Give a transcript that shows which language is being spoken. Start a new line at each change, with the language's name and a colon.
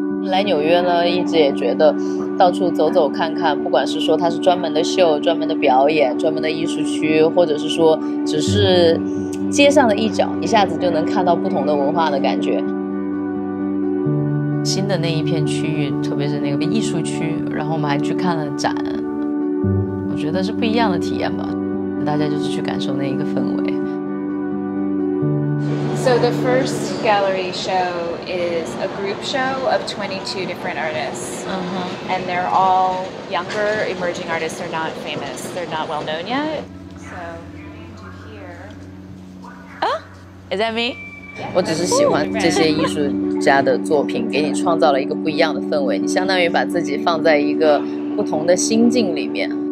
Chinese: 来纽约呢，一直也觉得到处走走看看，不管是说它是专门的秀、专门的表演、专门的艺术区，或者是说只是街上的一角，一下子就能看到不同的文化的感觉。新的那一片区域，特别是那个艺术区，然后我们还去看了展，我觉得是不一样的体验吧。大家就是去感受那一个氛围。
English: So the first gallery show is a group show of 22 different artists,、uh-huh. and they're all younger, emerging artists. They're not famous. They're not well known yet. So here, is that me? Yeah,
Chinese: 我只是喜欢这些艺术家的作品，给你创造了一个不一样的氛围。你相当于把自己放在一个不同的心境里面。